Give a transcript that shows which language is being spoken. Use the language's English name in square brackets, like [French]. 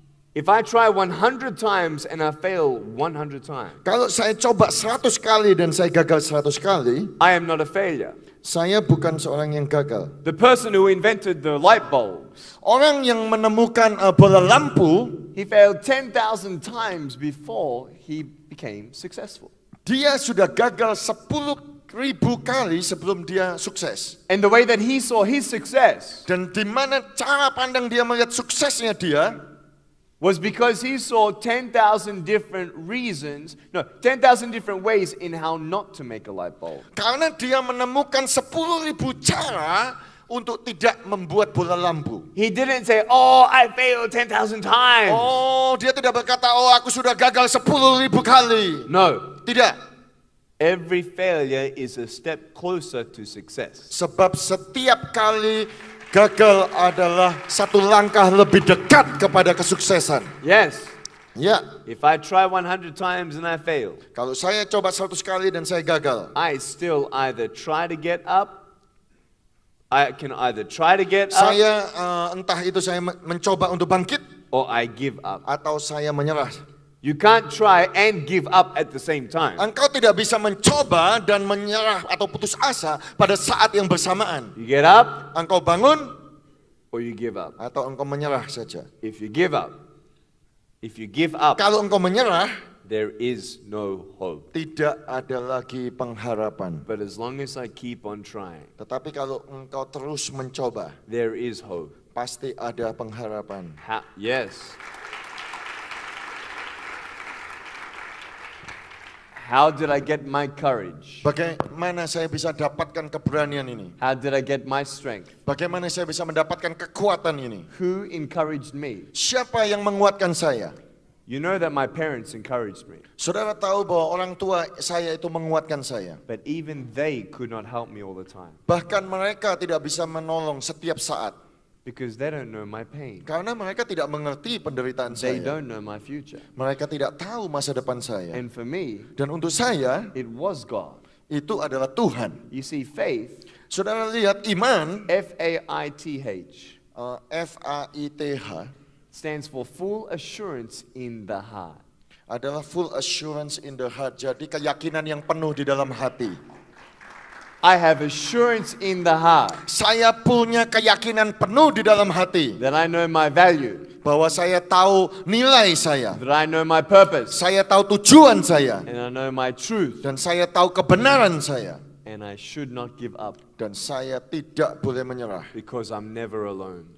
[English] If I try 100 times and I fail 100 times. [Indonesian] Kalau saya coba 100 kali dan saya gagal 100 kali, [English] I am not a failure. [Indonesian] Saya bukan seorang yang gagal. [English] The person who invented the light bulbs. [Indonesian] Orang yang menemukan bola lampu, [English] he failed 10,000 times before he became successful. [Indonesian] Dia sudah gagal 10,000 kali sebelum dia sukses. [English] And the way that he saw his success. [Indonesian] Dan di mana cara pandang dia melihat suksesnya dia? [English] Was because he saw 10,000 different reasons, no, 10,000 different ways in how not to make a light bulb. [Indonesian] Karena dia menemukan 10,000 cara untuk tidak membuat bola lampu. [English] He didn't say, "Oh, I failed 10,000 times." [Indonesian] Oh, dia tidak berkata, "Oh, aku sudah gagal 10,000 kali." [English] No, [Indonesian] tidak. [English] Every failure is a step closer to success. [Indonesian] Sebab setiap kali gagal adalah satu langkah lebih dekat kepada kesuksesan. [English] Yes. [Indonesian] Ya. [English] If I try 100 times and I fail. [Indonesian] Kalau saya coba 100 kali dan saya gagal. [English] I still either try to get up. I can either try to get up. [Indonesian] Saya entah itu saya mencoba untuk bangkit. [English] Or I give up. [Indonesian] Atau saya menyerah. [English] You can't try and give up at the same time. [Indonesian] Engkau tidak bisa mencoba dan menyerah atau putus asa pada saat yang bersamaan. [English] You get up. [Indonesian] Engkau bangun. [English] Or you give up. [Indonesian] Atau engkau menyerah saja. [English] If you give up. If you give up. [Indonesian] Kalau engkau menyerah. [English] There is no hope. [Indonesian] Tidak ada lagi pengharapan. [English] But as long as I keep on trying. [Indonesian] Tetapi kalau engkau terus mencoba. [English] There is hope. [Indonesian] Pasti ada pengharapan. [English] Yes. How did I get my courage? [Indonesian] Bagaimana saya bisa dapatkan keberanian ini? [English] How did I get my strength? [Indonesian] Bagaimana saya bisa mendapatkan kekuatan ini? [English] Who encouraged me? [Indonesian] Siapa yang menguatkan saya? [English] You know that my parents encouraged me. [Indonesian] Saudara tahu bahwa orang tua saya itu menguatkan saya. [English] But even they could not help me all the time. [Indonesian] Bahkan mereka tidak bisa menolong setiap saat. [English] Because they don't know my pain. [Indonesian] Karena mereka tidak mengerti penderitaan [English] they [Indonesian] saya. [English] They don't know my future. [Indonesian] Mereka tidak tahu masa depan saya. [English] And for me, [Indonesian] dan untuk saya, [English] it was God. [Indonesian] Itu adalah Tuhan. [English] You see, faith. [Indonesian] Saudara lihat iman. [English] F-A-I-T-H. F-A-I-T-H. Stands for full assurance in the heart. [Indonesian] Adalah [English] full assurance in the heart. [Indonesian] Jadi keyakinan yang penuh di dalam hati. [English] I have assurance in the heart. [Indonesian] Saya punya keyakinan penuh di dalam hati. [English] That I know my value. [Indonesian] Bahwa saya tahu nilai saya. [English] That I know my purpose. [Indonesian] Saya tahu tujuan saya. [English] And I know my truth. [Indonesian] Dan saya tahu kebenaran saya. [English] And I should not give up. [Indonesian] Dan saya tidak boleh menyerah. [English] Because I'm never alone.